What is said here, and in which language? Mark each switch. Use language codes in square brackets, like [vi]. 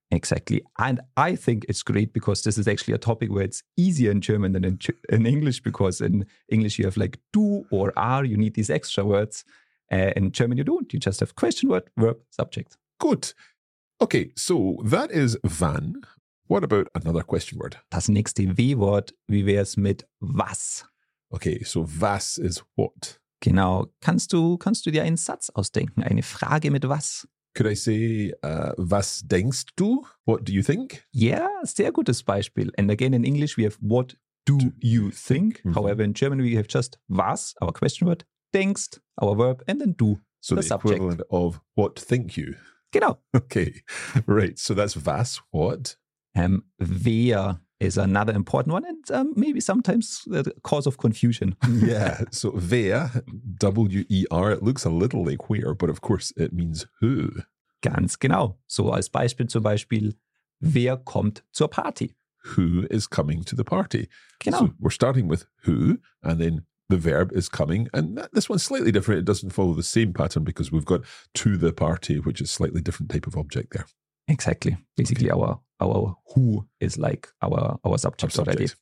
[en] Exactly. And I think it's great because this is actually a topic where it's easier in German than in English, because in English you have like du or are, you need these extra words. In German you don't. You just have question word, verb, subject. Good. Okay, so that is wann. What about another question word? [de] Das nächste W-Wort, wie wär's mit was? [en] Okay, so was is what? [de] Genau. Kannst du dir einen Satz ausdenken? Eine Frage mit was? [en] Could I say, [de] was denkst du? [en] What do you think? Yeah, [de] sehr gutes Beispiel. [en] And again, in English, we have what do you think? Mm-hmm. However, in German, we have just was, our question word, denkst, our verb, and then du, so the subject. So the equivalent of what think you. [de] Genau. [en] Okay, right. So that's was, what? Wer is another important one, and maybe sometimes the cause of confusion. Yeah, so wer, W-E-R, it looks a little like queer, but of course it means who. [de] Ganz genau. So als Beispiel zum Beispiel, wer kommt zur Party? [en] Who is coming to the party? [de] Genau. [en] So we're starting with who, and then the verb is coming, and this one's slightly different. It doesn't follow the same pattern because we've got to the party, which is slightly different type of object there. Exactly. Basically, okay. Our who is like our subject already.